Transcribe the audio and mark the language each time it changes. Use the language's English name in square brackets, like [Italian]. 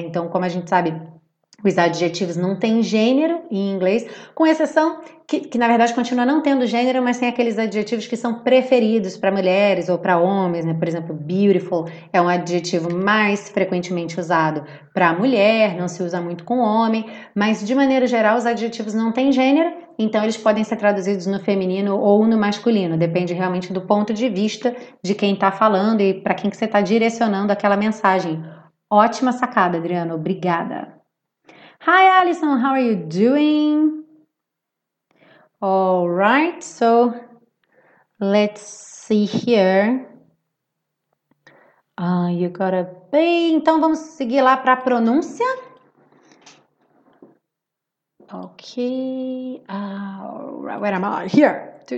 [Portuguese] Então, como a gente sabe, os adjetivos não têm gênero em inglês, com exceção que na verdade continua não tendo gênero, mas tem aqueles adjetivos que são preferidos para mulheres ou para homens, né? Por exemplo, beautiful é um adjetivo mais frequentemente usado para mulher, não se usa muito com homem, mas de maneira geral os adjetivos não têm gênero, então eles podem ser traduzidos no feminino ou no masculino, depende realmente do ponto de vista de quem está falando e para quem que você está direcionando aquela mensagem. Ótima sacada, Adriano, obrigada. [English] Hi, Alison, how are you doing? All right, so let's see here. You gotta be. [Portuguese] Então vamos seguir lá para a pronúncia. [English] Ok. All right, where am I? Here.